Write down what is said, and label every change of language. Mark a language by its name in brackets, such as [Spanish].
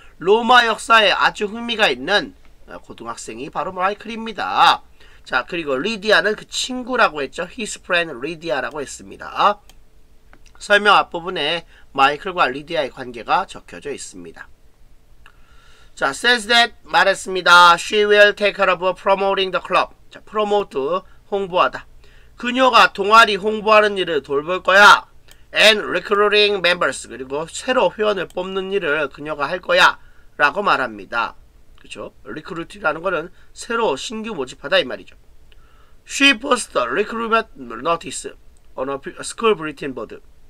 [Korean] 로마 역사에 아주 흥미가 있는 고등학생이 바로 마이클입니다. 자, 그리고 리디아는 그 친구라고 했죠. [English] His friend Lydia [Korean] 라고 했습니다. 설명 앞부분에 마이클과 리디아의 관계가 적혀져 있습니다. 자, [English] says that [Korean] 말했습니다. [English] She will take care of promoting the club. [Korean] 자, promote 홍보하다. 그녀가 동아리 홍보하는 일을 돌볼 거야. [English] And recruiting members, [Korean] 그리고 새로 회원을 뽑는 일을 그녀가 할 거야. 라고 말합니다. 그쵸? recruit라는 거는 새로 신규 모집하다 이 말이죠. [English] She posts recruitment notice on a school bulletin board.